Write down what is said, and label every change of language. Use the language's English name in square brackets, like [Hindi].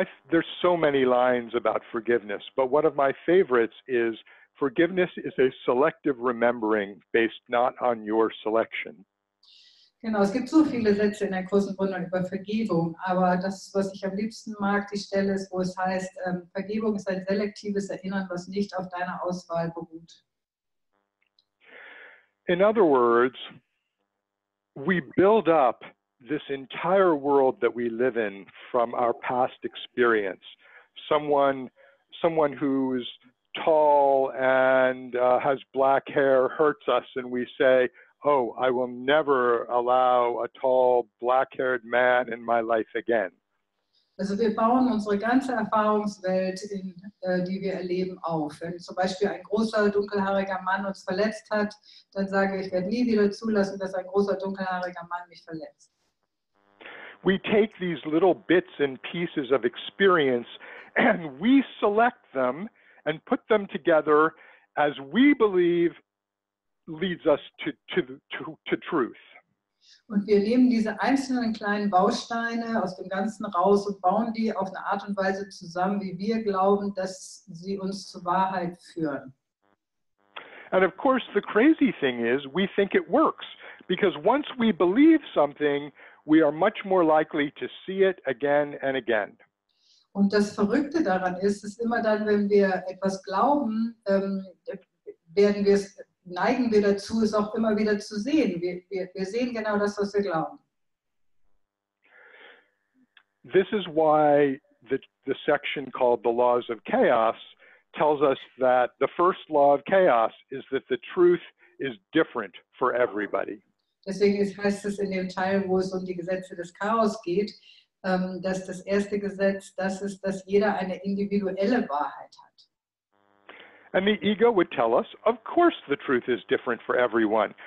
[English] There's so many lines about forgiveness, but one of my favorites is, forgiveness is a selective remembering based not on your selection. [German] Genau, es gibt so viele Sätze in der Kurs in Wundern über Vergebung, aber das, was ich am liebsten mag, die Stelle ist, wo es heißt, Vergebung ist ein selektives Erinnern, was nicht auf deiner Auswahl beruht. [English] In other words, we build up this entire world that we live in from our past experience. Someone who's tall and has black hair hurts us, and we say, oh, I will never allow a tall, black-haired man in my life again. [German] Also wir bauen unsere ganze Erfahrungswelt, die wir erleben, auf. Wenn zum Beispiel ein großer, dunkelhaariger Mann uns verletzt hat, dann sage ich, ich werde nie wieder zulassen, dass ein großer, dunkelhaariger Mann mich verletzt. [English] We take these little bits and pieces of experience and we select them and put them together as we believe leads us to truth. [German] Und wir nehmen diese einzelnen kleinen Bausteine aus dem Ganzen raus und bauen die auf eine Art und Weise zusammen, wie wir glauben, dass sie uns zur Wahrheit führen. [English] And of course, the crazy thing is, we think it works, because once we believe something, we are much more likely to see it again and again. [German] Und das Verrückte daran ist, ist immer dann, wenn wir etwas glauben, neigen wir dazu, es auch immer wieder zu sehen. Wir sehen genau das, was wir glauben. [English] This is why the section called the laws of chaos tells us that the first law of chaos is that the truth is different for everybody. [German] Deswegen heißt es in dem Teil, wo es um die Gesetze des Chaos geht, dass das erste Gesetz das ist, dass jeder eine individuelle Wahrheit hat. [English] And the ego would tell us, of course the truth is different for everyone.